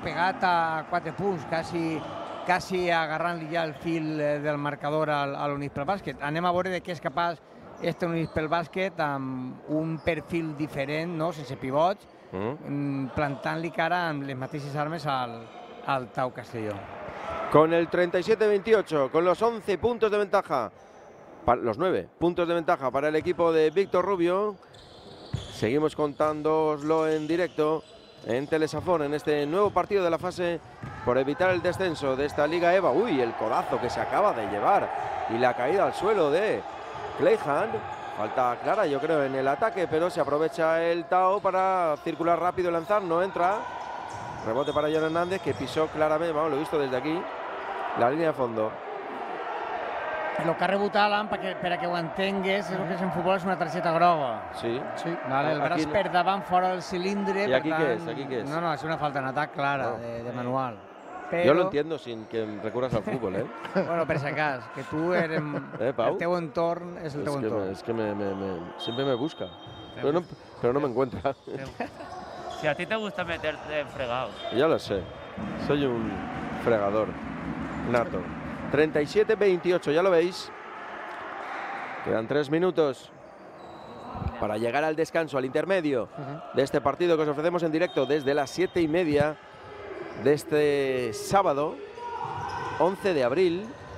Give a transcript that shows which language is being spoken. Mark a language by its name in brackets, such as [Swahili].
[Catalan] Pegat a 4 punts, quasi agarrant-li ja el fil del marcador a l'Unix pel bàsquet. Anem a veure de què és capaç este Unix pel bàsquet amb un perfil diferent, no? Sense pivots, plantant-li cara amb les mateixes armes al Tau Castelló. [Spanish] Con el 37-28, con los 11 puntos de ventaja, los 9 puntos de ventaja para el equipo de Víctor Rubio, seguimos contándoslo en directo en Telesafón, en este nuevo partido de la fase por evitar el descenso de esta Liga EVA. Uy, el codazo que se acaba de llevar y la caída al suelo de Clayhand. Falta clara, yo creo, en el ataque, pero se aprovecha el Tao para circular rápido y lanzar. No entra. Rebote para John Hernández, que pisó claramente, vamos, lo he visto desde aquí, la línea de fondo. [Catalan] Lo que ha rebotat Alan, perquè ho entengues, és el que és en futbol, és una targeta groga. Sí. Sí. Vale, el braç per davant, fora del cilindre. I aquí què és? Aquí què és? No, no, és una falta en atac clara, de manual. [Spanish] Jo lo entiendo sin que [Catalan] em recurres al futbol, [Spanish] eh? [Catalan] Bueno, per si acas, que tu eres... Pau? El teu entorn és el teu entorn. És que sempre me busca, però no m'encuentra. [Spanish] Si a ti te gusta meterte en fregado. Ya lo sé, soy un fregador nato. 37-28, ya lo veis. Quedan 3 minutos para llegar al descanso, al intermedio de este partido que os ofrecemos en directo desde las 7:30 de este sábado, 11 de abril.